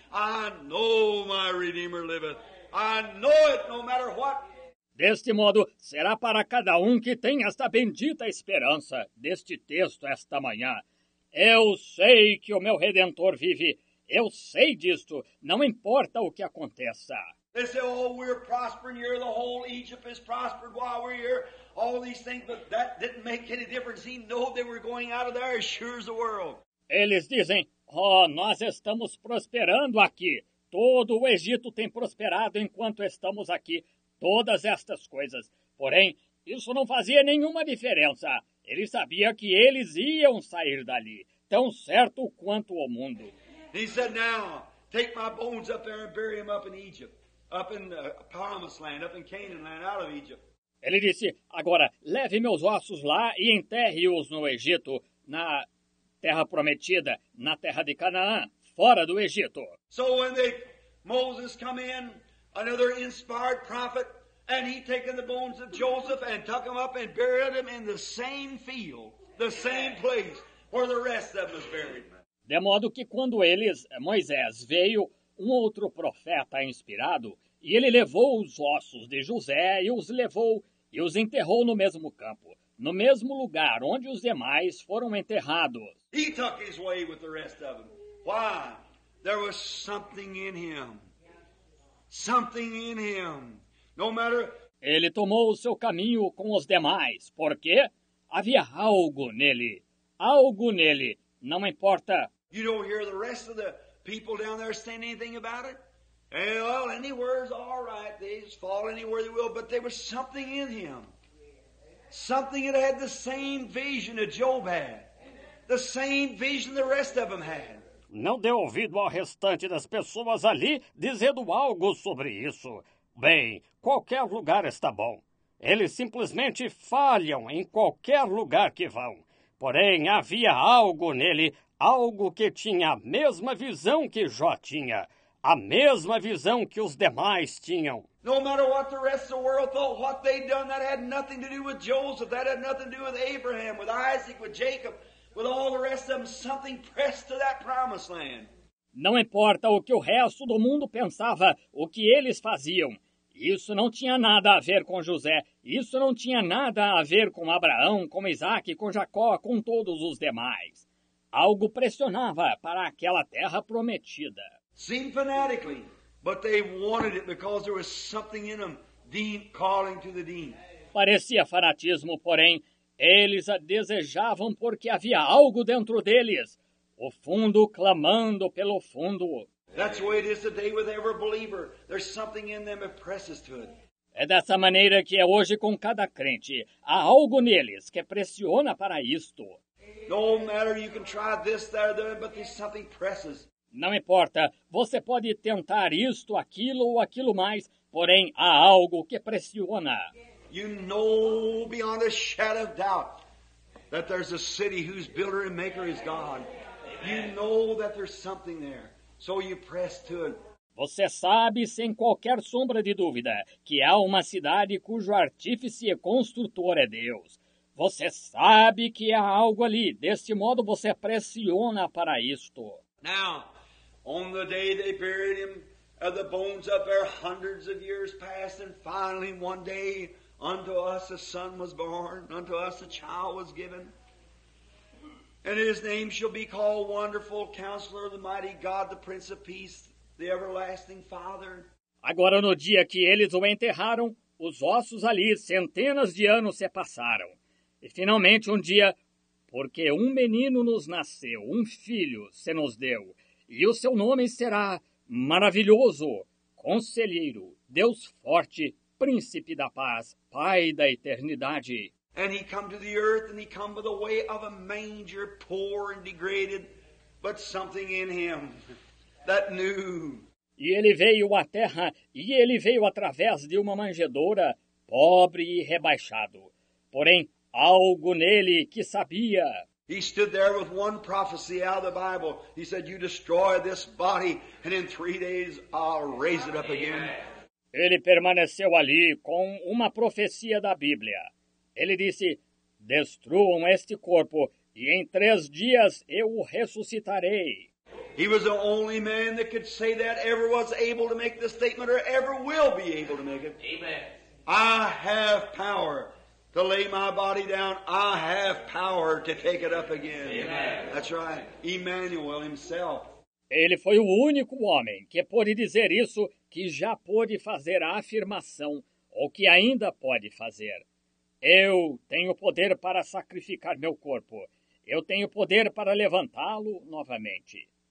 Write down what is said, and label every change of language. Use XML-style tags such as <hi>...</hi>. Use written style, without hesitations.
<en>I know my Redeemer liveth. I know it no matter what.</en> <pt>Deste modo, será para cada um que tem esta bendita esperança deste texto esta manhã. Eu sei que o meu Redentor vive. Eu sei disto, não importa o que aconteça.</pt> <en>They say, oh, we're prospering here. The whole Egypt is prospered while we're here. All these things, but that didn't make any difference. He knew they were going out of there as sure as the world.</en> <pt>Eles dizem, oh, nós estamos prosperando aqui. Todo o Egito tem prosperado enquanto estamos aqui. Todas estas coisas. Porém, isso não fazia nenhuma diferença. Ele sabia que eles iam sair dali, tão certo quanto o mundo.</pt> <en>He said, now, take my bones up there and bury them up in Egypt. Up in the promised land, up in Canaan land, out of Egypt.</en> <pt>Ele disse, agora, leve meus ossos lá e enterre-os no Egito, na terra prometida, na terra de Canaã, fora do Egito.</pt> <en>So when they, Moses come in, another inspired prophet, and he taken the bones of Joseph and took them up and buried them in the same field, the same place where the rest of them was buried.</en> <pt>De modo que quando eles, Moisés, veio um outro profeta inspirado, e ele levou os ossos de José e os levou e os enterrou no mesmo campo, no mesmo lugar onde os demais foram enterrados.</pt> <en>He took his way with the rest of them. Why? There was something in him. Something in him. No matter...</en> <pt>Ele tomou o seu caminho com os demais, porque havia algo nele. Algo nele. Não importa...</pt> <en>You don't hear the rest of the people down there saying anything about it? Well, anywhere's all right. They just fall anywhere they will. But there was something in him. Something that had the same vision that Job had. The same vision the rest of them had.</en> <pt>Não deu ouvido ao restante das pessoas ali dizendo algo sobre isso. Bem, qualquer lugar está bom. Eles simplesmente falham em qualquer lugar que vão. Porém, havia algo nele, algo que tinha a mesma visão que Jó tinha, a mesma visão que os demais tinham.</pt> <en>No matter what the rest of the world thought, what they'd done, that had nothing to do with Joseph, that had nothing to do with Abraham, with Isaac, with Jacob, with all the rest of them, something pressed to that promised land.</en> <pt>Não importa o que o resto do mundo pensava, o que eles faziam. Isso não tinha nada a ver com José. Isso não tinha nada a ver com Abraão, com Isaac, com Jacó, com todos os demais. Algo pressionava para aquela terra prometida.</pt> <en>Seemed fanatically, but they wanted it because there was something in them deep calling to the deep.</en> <pt>Parecia fanatismo, porém, eles a desejavam porque havia algo dentro deles. O fundo clamando pelo fundo.</pt> <en>That's the way it is today with every believer. There's something in them that presses to it.</en> <pt>É dessa maneira que é hoje com cada crente. Há algo neles que pressiona para isto.</pt> <en>No matter, you can try this, that, there, but there's something presses.</en> <pt>Não importa, você pode tentar isto, aquilo ou aquilo mais, porém há algo que pressiona.</pt> <en>You know beyond a shadow of doubt that there's a city whose builder and maker is God. You know that there's something there, so you press to it.</en> <pt>Você sabe, sem qualquer sombra de dúvida, que há uma cidade cujo artífice e construtor é Deus. Você sabe que há algo ali. Deste modo, você pressiona para isto.</pt> <en>Now, on the day they buried him, the bones up there hundreds of years passed, and finally one day unto us a son was born, unto us a child was given. And his name shall be called Wonderful Counselor, the Mighty God, the Prince of Peace, the Everlasting Father.</en> <pt>Agora, no dia que eles o enterraram, os ossos ali, centenas de anos se passaram. E finalmente um dia, porque um menino nos nasceu, um filho se nos deu, e o seu nome será Maravilhoso, Conselheiro, Deus Forte, Príncipe da Paz, Pai da Eternidade.</pt> <en>And he come to the earth, and he come by the way of a manger, poor and degraded, but something in him that knew.</en> <pt>E ele veio à terra, e ele veio através de uma manjedoura, pobre e rebaixado, porém algo nele que sabia.</pt> <en>He stood there with one prophecy out of the Bible. He said, you destroy this body, and in 3 days I'll raise it up again.</en> <pt>Ele permaneceu ali com uma profecia da Bíblia. Ele disse, destruam este corpo, e em 3 dias eu o ressuscitarei.</pt> <en>He was the only man that could say that, ever was able to make the statement, or ever will be able to make it. Amen. I have power to lay my body down. I have power to take it up again. Amen. That's right. Emmanuel himself.</en> <pt>Ele foi o único homem que pôde dizer isso, que já pôde fazer a afirmação, ou que ainda pode fazer. Eu tenho poder para sacrificar meu corpo. Eu tenho poder para levantá-lo novamente.</pt>